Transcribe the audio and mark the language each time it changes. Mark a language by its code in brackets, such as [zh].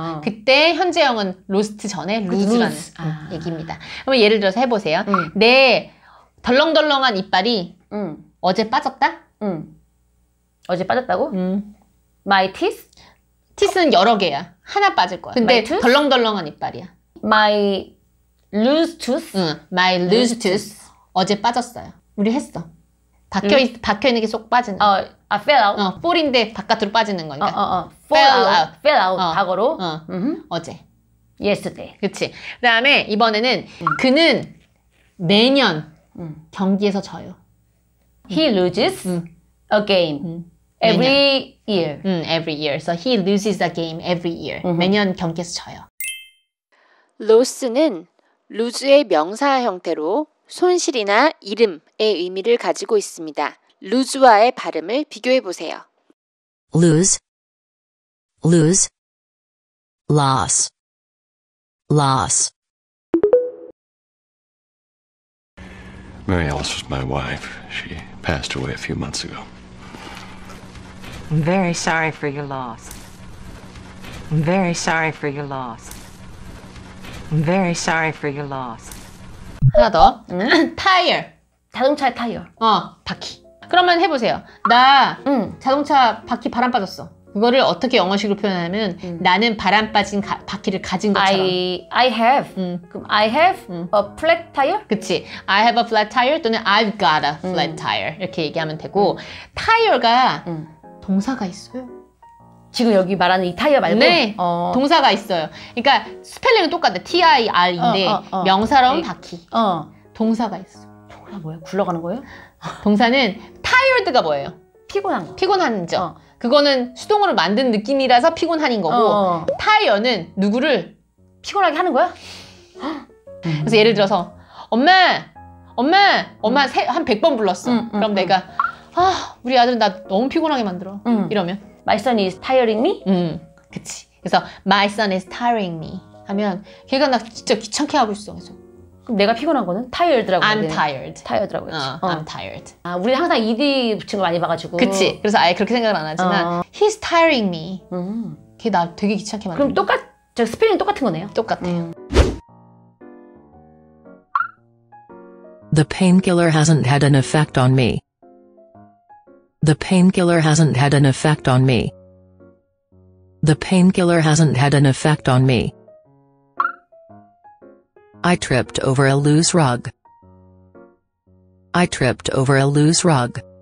[ko] 그때 현재형은 로스트 전에 루즈라는 루즈. 얘기입니다. 그럼 예를 들어서 해보세요. 내 덜렁덜렁한 이빨이 어제 빠졌다? 어제 빠졌다고? [en] My teeth? [ko] teeth는 여러 개야. 하나 빠질 거야. 근데 덜렁덜렁한 이빨이야. [en] My loose tooth? My loose tooth [ko] 어제 빠졌어요. 우리 했어. 박혀있는 게 쏙 빠지는 거. [en] Fell out. [ko] Fall인데 바깥으로 빠지는 거니까. [en] Fell out. Fell out. 과거로. [ko] 어제. [en] Yesterday. [ko] 그치. 그 다음에 이번에는 그는 매년 경기에서 져요. [en] He loses a game every 매년. year. Every year. So he loses a game every year. [ko] 매년 경기에서 져요. Loss는 lose의 명사 형태로 손실이나 잃음의 의미를 가지고 있습니다. lose와의 발음을 비교해 보세요. [en] lose, lose, loss, loss. Mary Alice was my wife. She passed away a few months ago. I'm very sorry for your loss. I'm very sorry for your loss. I'm very sorry for your loss. [ko] 하나 더. 타이어. 자동차의 타이어. 어, 바퀴. 그러면 해보세요. 나 자동차 바퀴 바람 빠졌어. 그거를 어떻게 영어식으로 표현하면 나는 바람 빠진 바퀴를 가진 것처럼. [en] I have. 그럼 I have a flat tire? [ko] 그치. [en] I have a flat tire 또는 I've got a flat tire. [ko] 이렇게 얘기하면 되고 타이어가 동사가 있어요. 지금 여기 말하는 이 타이어 말고? 네. 어. 동사가 있어요. 그러니까 스펠링은 똑같아. T-I-R인데 명사로는 바퀴. 동사가 있어. 동사 뭐야? 굴러가는 거예요? 동사는 tired가 뭐예요? 피곤한 거. 피곤한 거죠. 그거는 수동으로 만든 느낌이라서 피곤한인 거고 타이어는 누구를 피곤하게 하는 거야? 그래서 예를 들어서 엄마! 엄마! 엄마 한 100번 불렀어. 그럼 내가 아 우리 아들 나 너무 피곤하게 만들어. 이러면 [en] My son is tiring me? [ko] 그치. 그래서 [en] My son is tiring me [ko] 하면 걔가 나 진짜 귀찮게 하고 있어. 그래서. 그럼 내가 피곤한 거는 tired라고 I'm 해야 돼. tired라고 해야지. I'm tired. 아, 우리 항상 ED 붙인 거 많이 봐가지고. 그치. 그래서 아예 그렇게 생각을 안 하지만 [en] He's tiring me. [ko] 걔 나 되게 귀찮게 만든 그럼 똑같... 저 스펠링 똑같은 거네요. 똑같아요. [en] The painkiller hasn't had an effect on me. The painkiller hasn't had an effect on me. The painkiller hasn't had an effect on me. I tripped over a loose rug. I tripped over a loose rug.